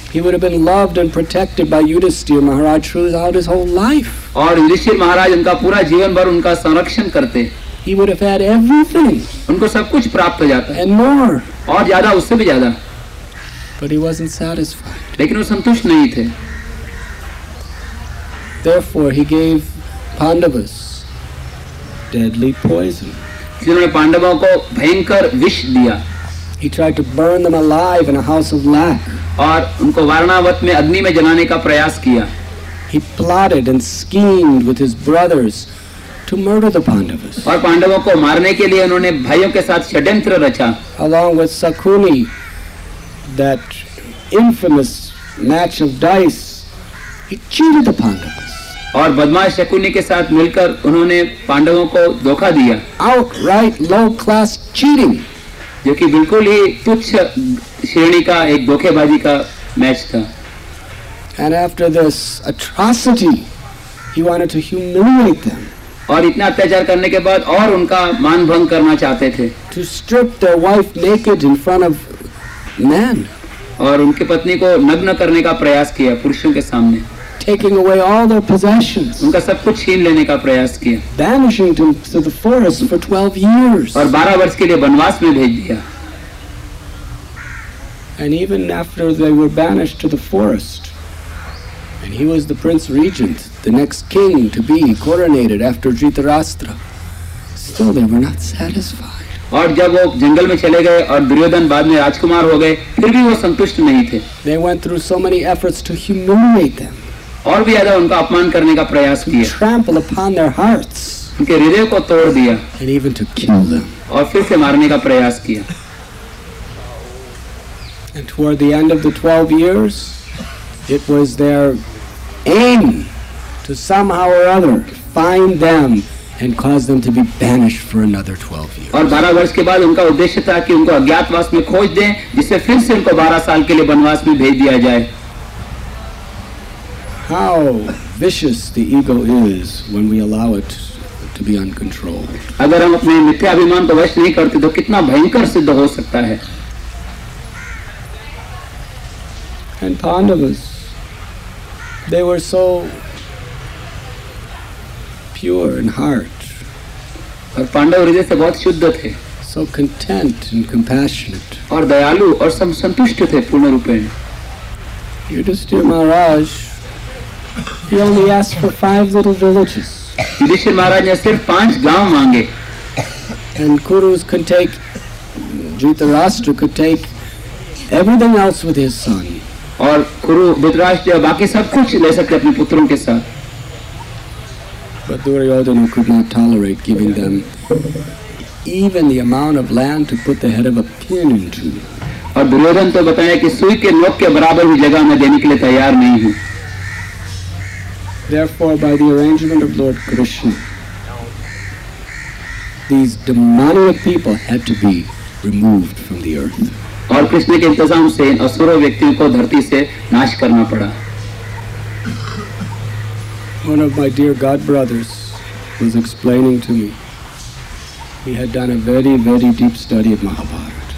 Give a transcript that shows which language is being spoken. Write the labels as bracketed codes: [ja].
[en] He would have been loved and protected by Yudhishthira Maharaj throughout his whole life. [hi] और युधिष्ठिर महाराज उनका पूरा जीवन भर उनका संरक्षण करते. [en] He would have had everything. [hi] उनको सब कुछ प्राप्त हो जाता. [en] And more. [hi] और ज्यादा उससे भी ज्यादा. [en] But he wasn't satisfied. [hi] लेकिन वो संतुष्ट नहीं थे. [en] Therefore, he gave Pandavas deadly poison. [hi] उन्होंने पांडवों को भयंकर विष दिया. [en] He tried to burn them alive in a house of lack. [hi] और उनको वारणावत में अग्नि में जलाने का प्रयास किया. [en] He plotted and schemed with his brothers to murder the Pandavas. [hi] और पांडवों को मारने के लिए उन्होंने भाइयों के साथ षड्यंत्र रचा. [en] Along with Shakuni, that infamous match of dice, he cheated the Pandavas. [hi] और बदमाश शकुनि के साथ मिलकर उन्होंने पांडवों को धोखा दिया. [en] Outright low class cheating. [hi] जो कि बिल्कुल ही तुच्छ श्रेणी का एक धोखेबाजी का मैच था. [en] And after this atrocity, he wanted to humiliate them. [hi] और इतना अत्याचार करने के बाद और उनका मान भंग करना चाहते थे. [en] To strip their wife naked in front of men. [hi] और उनके पत्नी को नग्न करने का प्रयास किया पुरुषों के सामने. [en] Taking away all their possessions. [hi] उनका सब कुछ छीन लेने का प्रयास किया. [en] Banishing them to the forest for 12 years. [hi] और 12 वर्ष के लिए वनवास में भेज दिया. [en] And even after they were banished to the forest, and he was the prince regent, the next king to be coronated after Dhritarashtra, still they were not satisfied. [hi] और जब वो जंगल में चले गए और दुर्योधन बाद में राजकुमार हो गए, फिर भी वो संतुष्ट नहीं थे. [en] They went through so many efforts to humiliate them. [hi] और भी ज्यादा उनका अपमान करने का प्रयास किया. [en] Trample upon their hearts. [hi] उनके हृदय को तोड़ दिया. [en] And even to kill them. [hi] और फिर से मारने का प्रयास किया. [en] And toward the end of the 12 years, it was their aim to somehow or other find them and cause them to be banished for another 12 years. [hi] और 12 वर्ष के बाद उनका उद्देश्य था कि उनको अज्ञातवास में खोज दें, जिससे फिर से उनको 12 साल के लिए वनवास में भेज दिया जाए. [en] How vicious the ego is when we allow it to be uncontrolled. [hi] अगर हम अपने मिथ्याभिमान को वश नहीं करते तो कितना भयंकर सिद्ध हो सकता है. [en] And Pandavas, they were so pure in heart. [hi] और पांडव हृदय से बहुत शुद्ध थे. [en] So content and compassionate. [hi] और दयालु और संतुष्ट थे पूर्ण रूपेण. [en] Yudhishthira Maharaj, he only asked for 5 little villages. [hi] Yudhishthir महाराज ने सिर्फ 5 गांव मांगे. [en] And Kurus could take, Dhritarashtra could take everything else with his son. [hi] और कुरु धृतराष्ट्र बाकी सब कुछ ले सकते अपने पुत्रों के साथ. [en] But Duryodhan could not tolerate giving them even the amount of land to put the head of a pin into. [hi] और दुर्योधन तो बताया कि सुई के नोक के बराबर भी जगह मैं देने के लिए तैयार नहीं हूँ. [en] Therefore, by the arrangement of Lord Krishna, these demoniac people had to be removed from the earth. [hi] और कृष्ण के इंतजाम से इन असुरों व्यक्तियों को धरती से नाश करना पड़ा. [en] One of my dear god brothers was explaining to me, he had done a very, very deep study of Mahabharat.